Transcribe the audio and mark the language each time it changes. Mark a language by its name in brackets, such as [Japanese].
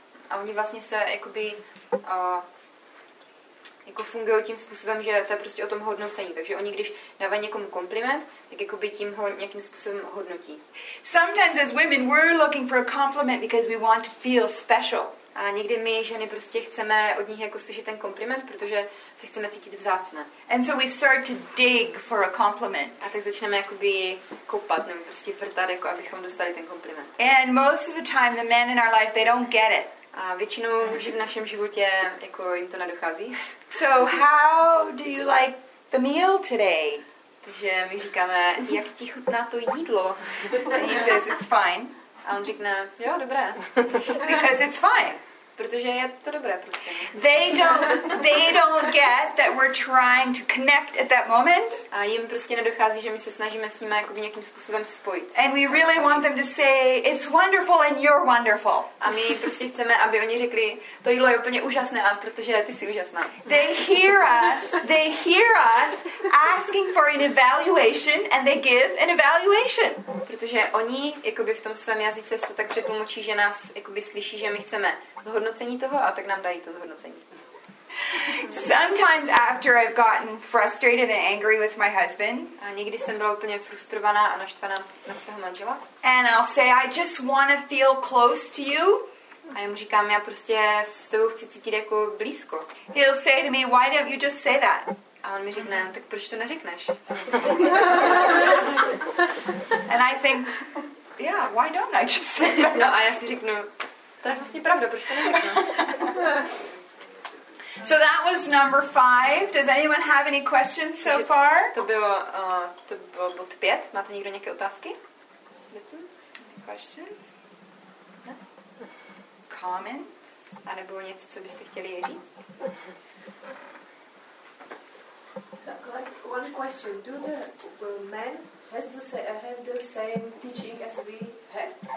[Czech] A oni vlastně se jakoby jako fungují tím způsobem, že to je prostě o tom hodnocení. Takže oni když dávají někomu kompliment, tak jakoby tím ho nějakým způsobem hodnotí. [English] Sometimes as women we're looking for a compliment because we want to feel special. [Czech] A někdy my ženy prostě chceme od nich jako slyšet ten kompliment, protože se chceme cítit vzácné. [English] And so we start to dig for a compliment. [Czech] A tak začneme jakoby koupat nebo prostě vrtat, jako abychom dostali ten kompliment. [English] And most of the time the men in our life they don't get it. [Czech] A většinou muži v našem životě jako jim to nedochází. [English] So how do you like the meal today? [Czech] Takže my říkáme, jak ti chutná to jídlo? [English] He says, it's fine. [Czech] A on říkne, jo, dobré. [English] Because it's fine. [Czech] Protože je to dobré prostě. [English] They don't get that we're trying to connect at that moment. [Czech] A jim prostě nedochází, že my se snažíme s nimi jakoby nějakým způsobem spojit. [English] And we really want them to say it's wonderful and you're wonderful. [Czech] A my prostě chceme, aby oni řekli, to jídlo je úplně úžasné, a protože ty jsi úžasná. [English] They hear us asking for an evaluation and they give an evaluation. [Czech] Protože oni jakoby v tom svém jazyce se tak přetlumočí, že nás jakoby slyší, že my chceme zhodnocení toho, a tak nám dají to zhodnocení. [English] Sometimes after I've gotten frustrated and angry with my husband, [Czech] a někdy jsem byla úplně frustrovaná a naštvaná na svého manžela. [English] And I'll say, I just want to feel close to you. [Czech] A já mu říkám, já prostě s tebou chci cítit jako blízko. [English] He'll say to me, why don't you just say that? [Czech] A on mi řekne, tak proč to neřekneš? [English] And I think, yeah, why don't I just say that? [Czech] No a já si řeknu, to je vlastně pravda, proč to neřekneš? [English] So that was number 5. Does anyone have any questions so far? [Czech] To bylo bod 5. Máte někdo nějaké otázky? [English] Questions? Comments? [Czech] A nebo něco, co byste chtěli říct? [English] One question. Do the men have the same teaching as we have?